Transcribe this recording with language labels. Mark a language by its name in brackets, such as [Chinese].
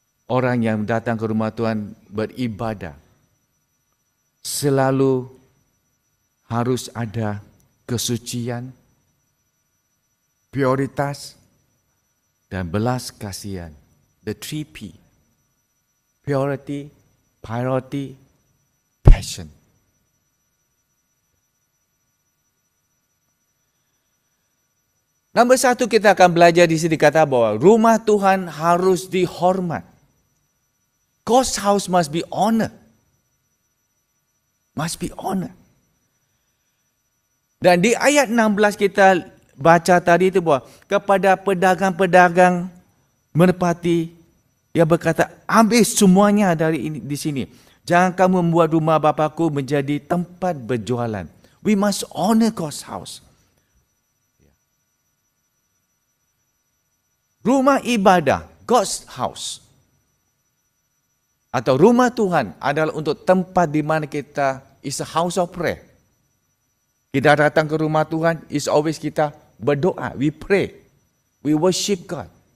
[Indonesian] Orang yang datang ke rumah Tuhan beribadah selalu harus ada kesucian, prioritas, dan belas kasihan. [English] The 3P. Purity, priority, passion. [Indonesian] Nomor 1, kita akan belajar di sini kata bahwa rumah Tuhan harus dihormat. [English] God's house must be honored. Must be honored. [Indonesian] Dan di ayat 16 kita baca tadi itu bahwa kepada pedagang-pedagang merpati, dia berkata, ambil semuanya dari ini, di sini. Jangan kamu membuat rumah Bapakku menjadi tempat berjualan. [English] We must honor God's house. [Indonesian] Rumah ibadah, [English] God's house, [Indonesian] atau rumah Tuhan adalah untuk tempat di mana kita, [English] is a house of prayer. [Indonesian] Kita datang ke rumah Tuhan, [English] is always [Indonesian] kita berdoa, [English] we pray, we worship God.